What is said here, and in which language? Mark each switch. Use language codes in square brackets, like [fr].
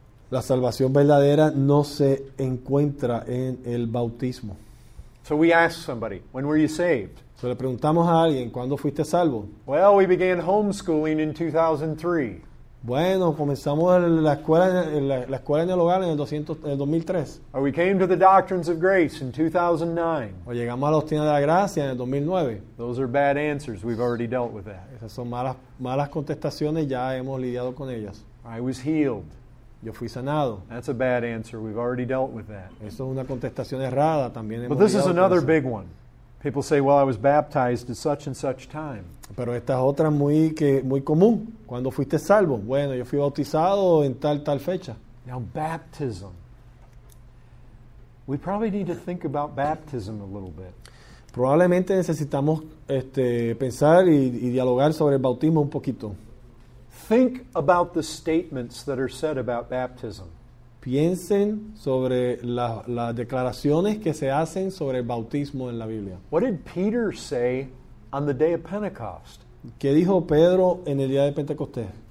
[es] La salvación verdadera no se encuentra en el bautismo. [en] So we ask somebody, when were you saved? [es] So le preguntamos a alguien, ¿cuándo fuiste salvo? [en] Well, we began homeschooling in 2003. [es] Bueno, comenzamos la escuela en el hogar en el 2003. [en] Or we came to the doctrines of grace in 2009. [es] O llegamos a la doctrina de la gracia en el 2009. [en] Those are bad answers. We've already dealt with that. [es] Esas son malas contestaciones. Ya hemos lidiado con ellas. [en] I was healed. [es] Yo fui sanado. [en] That's a bad answer. We've already dealt with that. [es] Eso es una contestación errada también. [en] But this is another big one. People say, "Well, I was baptized at such and such time." [es] Pero esta es otra muy común. ¿Cuándo fuiste salvo? Bueno, yo fui bautizado en tal fecha. [en] Now, baptism. We probably need to think about baptism a little bit. [es] Probablemente necesitamos pensar y dialogar sobre el bautismo un poquito. [en] Think about the statements that are said about baptism. [es] Piensen sobre las declaraciones que se hacen sobre el bautismo en la Biblia. [en] What did Peter say on the day of Pentecost? [es] ¿Qué dijo Pedro en el día de Pentecostés?